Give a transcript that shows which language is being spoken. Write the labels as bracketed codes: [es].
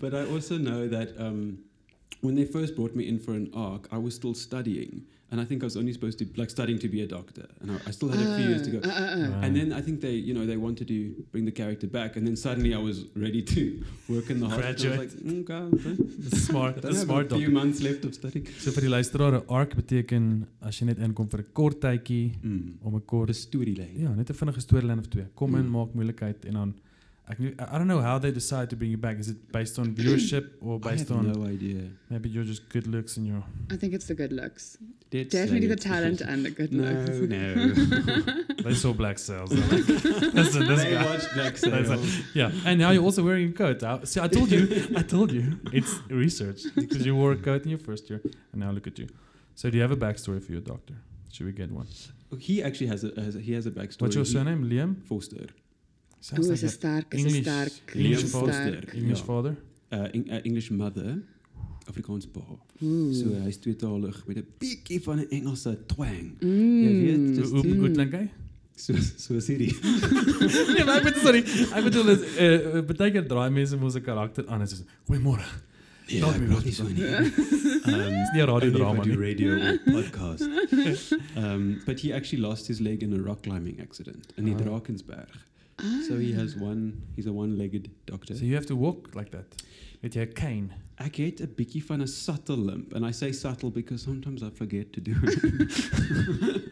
[en] But I also know that when they first brought me in for an arc, I was still studying. And I think I was only supposed to, studying to be a doctor. And I still had a few years to go. Right. And then I think they, you know, they wanted to bring the character back. And then suddenly I was ready to work in the hospital. Graduate. I was like, okay. smart doctor. A few months left of studying. [af] So for die luisteraar, arc beteken, as jy net inkom vir 'n kort tydjie, om 'n kort... [en] A story line. [af] Ja, net 'n vinnige story line of twee. Kom in, maak moeilikheid en dan... [en] I don't know how they decide to bring you back. Is it based on viewership or based on... I have no idea. Maybe you're just good looks and you're... I think it's the good looks. Definitely the talent and the good looks. No. They saw Black Sails. Like, listen, this they guy. Watched Black Sails. Yeah, and now you're also wearing a coat. I told you. It's research because you wore a coat in your first year and now look at you. So do you have a backstory for your doctor? Should we get one? He actually has a backstory. What's your surname? Liam? Forster. Sounds like a stark, English, stark. English father. English, yeah. Father? English mother, Afrikaans pa. Ooh. [af] So hy's tweetalig met 'n bietjie van 'n Engelse twang. Hoe goed klink hy? Soos hierdie. Nee, maar ek bedoel, dis, baie keer draai mense om ons karakter aan. Soos, goeiemôre. Nee, ek praat nie so nie. Dis nie 'n radiodrama nie. [en] Only if I do radio or podcast. But he actually lost his leg in a rock climbing accident in the Drakensberg. So he has one, he's a one-legged doctor. So you have to walk like that, with your cane. I get a [af] bikkie van [en] a subtle limp, and I say subtle because sometimes I forget to do it.